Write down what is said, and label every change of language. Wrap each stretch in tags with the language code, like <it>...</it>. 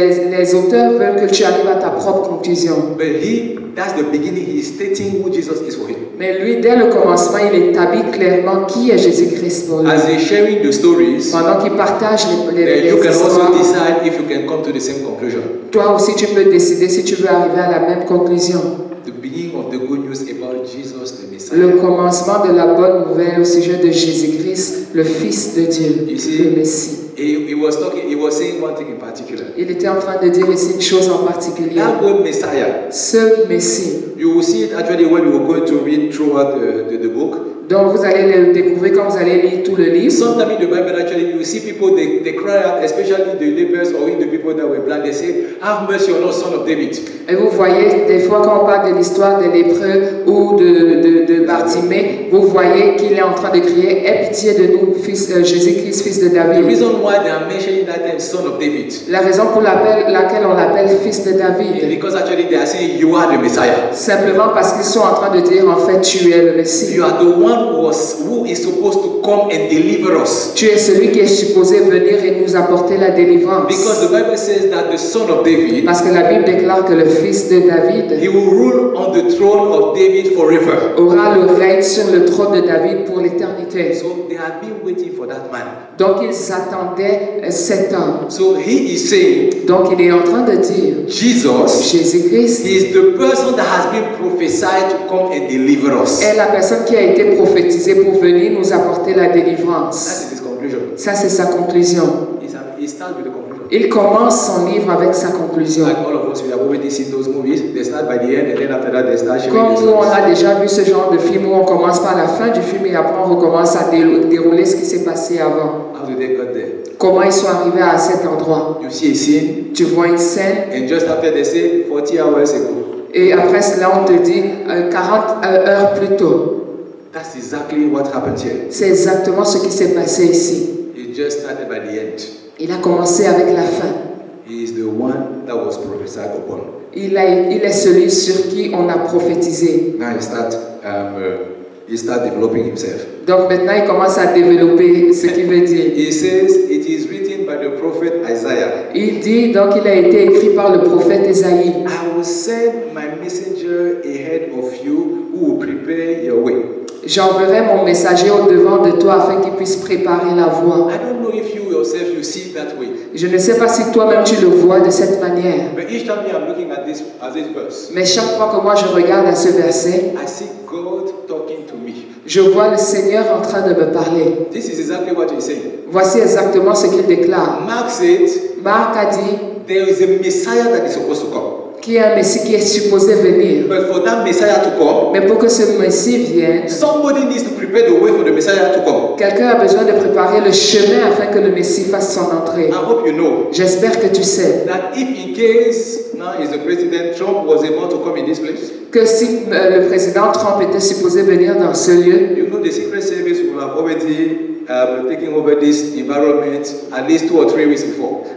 <fr>Les auteurs veulent que tu arrives à ta propre conclusion.</fr> <en>But he, that's the beginning. He's stating who Jesus is for him.</en> <fr>Mais lui, dès le commencement, il établit clairement qui est Jésus-Christ pour lui.</fr> <en>As he's sharing the stories,</en> <fr>pendant qu'il partage les histoires,</fr> <en>you can also decide if you can come to the same conclusion.</en> <fr>Toi aussi, tu peux décider si tu veux arriver à la même conclusion.</fr> <en>The beginning of the good news about Jesus, the Messiah.</en> <fr>Le commencement de la bonne nouvelle au sujet de Jésus-Christ, le Fils de Dieu,</fr> <en>you see,</en> <fr>le Messie. Il était en train de dire ici une chose en particulier.</fr> <en>That word Messiah.</en> <fr>Ce Messie.</fr> <en>You will see it actually when you are going to read throughout the book.</en> <fr>Donc vous allez le découvrir quand vous allez lire tout le livre.</fr> <en>Sometimes in the Bible actually you see people they cry out, especially the lepers or even the people that were blind. They say, "Have mercy on us, son of David."</en> <fr>Et vous voyez des fois quand on parle de l'histoire des lépreux ou de Bartimée, vous voyez qu'il est en train de crier, "Aie pitié de nous, fils Jésus-Christ, fils de David."</fr> <en>The reason why they are mentioning that name, son of David.</en> <fr>La raison pour laquelle on l'appelle fils de David.</fr> <en>Because actually they are saying, "You are the Messiah."</en> <fr>Simplement parce qu'ils sont en train de dire, en fait, tu es le Messie.</fr> <en>You are the one who is supposed to come and deliver us.</en> <fr>Tu es celui qui est supposé venir et nous apporter la délivrance.</fr> <en>Because the Bible says that the son of David.</en> <fr>Parce que la Bible déclare que le fils de David.</fr> <en>He will rule on the throne of David forever.</en> <fr>Aura le règne sur le trône de David pour l'éternité.</fr> <en>So they have been waiting for that man.</en> <fr>Donc ils attendaient cet homme.</fr> <en>So he is saying.</en> <fr>Donc il est en train de dire.</fr> <en>Jesus.</en> <fr>Jésus-Christ.</fr> <en>He is the person that has been prophesied to come and deliver us.</en> <fr>Est la personne qui a été prophétisé pour venir nous apporter la délivrance.</fr> <en>That is his conclusion.</en> <fr>Ça, c'est sa conclusion.</fr> <en>He starts with the conclusion.</en> <fr>Il commence son livre avec sa conclusion. Comme nous, on a déjà vu ce genre de film où on commence par la fin du film et après on recommence à dérouler ce qui s'est passé avant.</fr> <en>How did they get there?</en> <fr>Comment ils sont arrivés à cet endroit?</fr> <en>You see a scene,</en> <fr>tu vois une scène.</fr> <en>And just after they say 40 hours ago.</en> <fr>Et après cela, on te dit 40 heures plus tôt.</fr> <en>That's exactly what happened here.</en> <fr>C'est exactement ce qui s'est passé ici.</fr> <en>He just started by the end.</en> <fr>Il a commencé avec la fin.</fr> <en>He is the one that was prophesied upon.</en> <fr>Il est celui sur qui on a prophétisé.</fr> <en>Now he start developing himself.</en> <fr>Donc maintenant il commence à développer ce qu'il veut dire.</fr> <en>He says it is written by the prophet Isaiah.</en> <fr>Il dit donc il a été écrit par le prophète Isaïe.</fr> <en>I will send my messenger ahead of you who will prepare your way.</en> <fr>J'enverrai mon messager au devant de toi afin qu'il puisse préparer la voie.</fr> <en>I don't know if you yourself you see it that way.</en> <fr>Je ne sais pas si toi-même tu le vois de cette manière.</fr> <en>But each time I'm looking at this verse.</en> <fr>Mais chaque fois que moi je regarde à ce verset,</fr> <en>I see God talking to me.</en> <fr>Je vois le Seigneur en train de me parler.</fr> <en>This is exactly what he's saying.</en> <fr>Voici exactement ce qu'il déclare.</fr> <en>Mark said,</en> <fr>Marc a dit,</fr> <en>there is a Messiah that is supposed to come.</en> <fr>Qui est un Messie qui est supposé venir.</fr> <en>But for that Messiah to come,</en> <fr>mais pour que ce Messie vienne,</fr> <en>somebody needs to prepare the way for the Messiah to come.</en> <fr>Quelqu'un a besoin de préparer le chemin afin que le Messie fasse son entrée.</fr> <en>I hope you know.</en> <fr>J'espère que tu sais.</fr> <en>That if in case now is the President Trump was about to come in this place.</en> <fr>Que si le président Trump était supposé venir dans ce lieu.</fr> <en>You know the Secret Service will have already taken over this environment at least 2 or 3 weeks before.</en>